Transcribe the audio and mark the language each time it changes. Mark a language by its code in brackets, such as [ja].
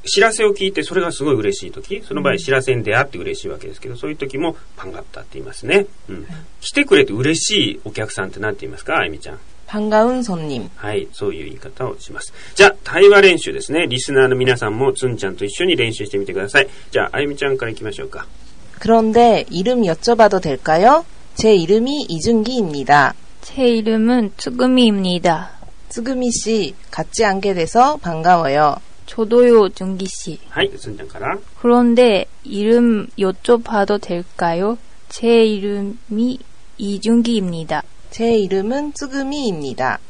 [ja] 知らせを聞いて、それがすごい嬉しいとき、その場合、知らせに出会って嬉しいわけですけど、そういうときも、반갑다って言いますね。うん。来てくれて嬉しいお客さんって何て言いますか、あゆみちゃん。 [ko] 반가운손님。 [ja] はい、そういう言い方をします。じゃあ、対話練習ですね。リスナーの皆さんも、つんちゃんと一緒に練習してみてください。じゃあ、あゆみちゃんから行きましょうか。 [ko] 그런데、이름여쭤봐도될까요? 제이름이이준기입니다。 제이름은つぐみ입니다。つぐみ씨、같이앉게돼서반가워요。 저도요、준기씨。 [ja] はい、つんちゃんから。 [ko] 그런데、이름여쭤봐도될까요? 제이름이이준기입니다。 제이름은쯔금이입니다